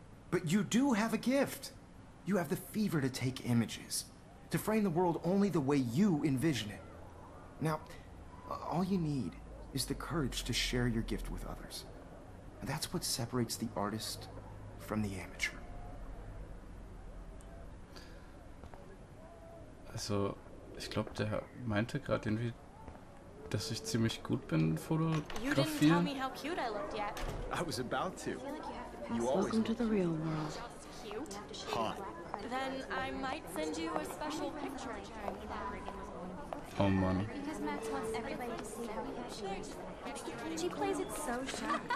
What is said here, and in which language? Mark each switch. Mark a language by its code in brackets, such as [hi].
[en] But you do have a gift. You have the fever to take images, to frame the world only the way you envision it. Now, all you need is the courage to share your gift with others. And that's what separates the artist from the amateur. [de] Also, ich glaube, der meinte gerade irgendwie, dass ich ziemlich gut bin in Fotografieren. [en] You didn't tell me how cute I looked yet. I was about to. Welcome to the real world. Hot. Then I might send you a special picture. Oh man. She plays it so sharp.